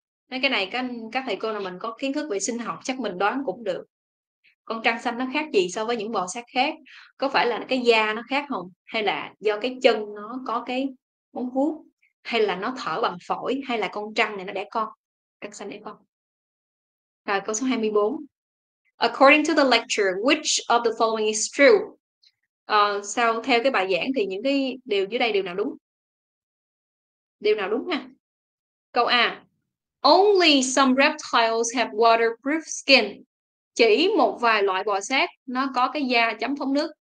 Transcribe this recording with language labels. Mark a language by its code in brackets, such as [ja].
[vi] Cái này các thầy cô là mình có kiến thức về sinh học, chắc mình đoán cũng được. Con trăng xanh nó khác gì so với những bò sát khác? Có phải là cái da nó khác không? Hay là do cái chân nó có cái móng vuốt? Hay là nó thở bằng phổi, hay là con trăng này nó đẻ con, trăng xanh đẻ con. Rồi câu số 24. [en] According to the lecture, which of the following is true? [vi] Sao theo cái bài giảng thì những cái điều dưới đây đều nào đúng? Điều nào đúng nha? Câu A. [en] Only some reptiles have waterproof skin. [vi] Chỉ một vài loại bò sát nó có cái da chống thấm nước.